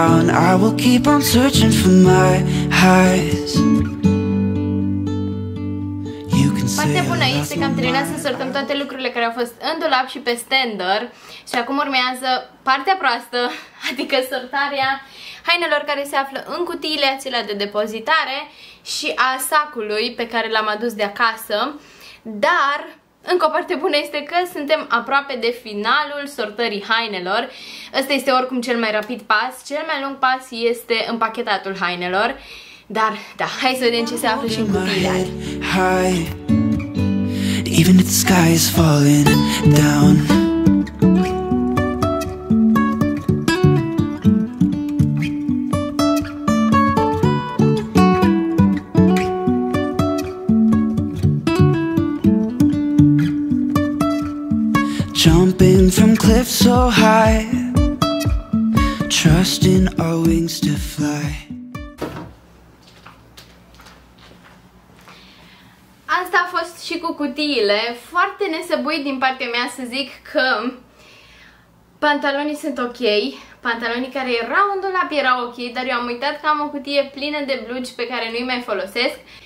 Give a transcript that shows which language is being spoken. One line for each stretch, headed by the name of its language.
English: I will keep on searching for my highs.
Romanian: Foarte bună, este că am terminat să sortăm toate lucrurile care au fost în dulap și pe stander. Și acum urmează partea proastă, adică sortarea hainelor care se află în cutiile acelea de depozitare și a sacului pe care l-am adus de acasă. Dar, încă o parte bună este că suntem aproape de finalul sortării hainelor. Ăsta este oricum cel mai rapid pas, cel mai lung pas este împachetatul hainelor. Dar, da, hai să vedem ce se află și în cutiile. Hai!
English: Even if the sky is falling down, jumping from cliffs so high, trusting our wings to fly.
Romanian: Și cu cutiile, foarte nesăbuit din partea mea să zic că pantalonii sunt ok, pantalonii care erau în dulap erau ok, dar eu am uitat că am o cutie plină de blugi pe care nu-i mai folosesc.